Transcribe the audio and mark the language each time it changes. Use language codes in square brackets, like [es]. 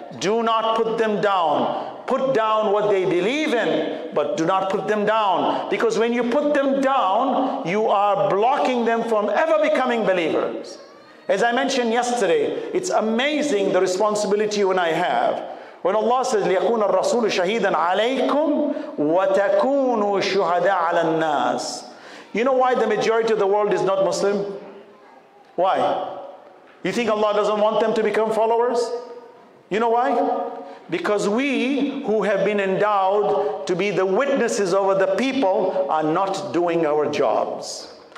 [en] Do not put them down. Put down what they believe in, but do not put them down. Because when you put them down, you are blocking them from ever becoming believers. As I mentioned yesterday, it's amazing the responsibility you and I have. When Allah says, [ar] لِيَكُونَ الرَّسُولُ شَهِيدًا عَلَيْكُمْ وَتَكُونُوا شُهَدَاءَ عَلَى النَّاسِ. [en] You know why the majority of the world is not Muslim? Why? You think Allah doesn't want them to become followers? You know why? Because we who have been endowed to be the witnesses over the people are not doing our jobs.